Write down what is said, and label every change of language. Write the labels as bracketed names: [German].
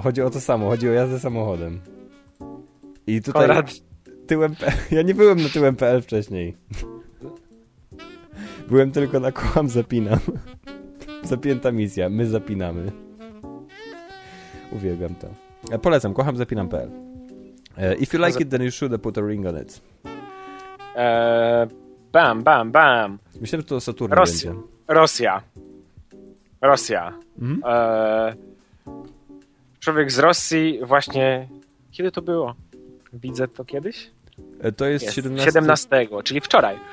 [Polish] Chodzi o jazdę samochodem. I tutaj... Konrad. Ja nie byłem na tyłem.pl wcześniej. Byłem tylko na kocham, zapinam. Zapięta misja, my zapinamy. Uwielbiam to. Polecam, kocham, zapinam.pl. [English] If you like it, then you should put a ring on it. Bam, bam, bam. [Polish] Myślałem, że to Saturn będzie. Rosja. Mm? Człowiek z Rosji właśnie... Kiedy to było? Widzę to kiedyś? To jest 17... 17, czyli wczoraj.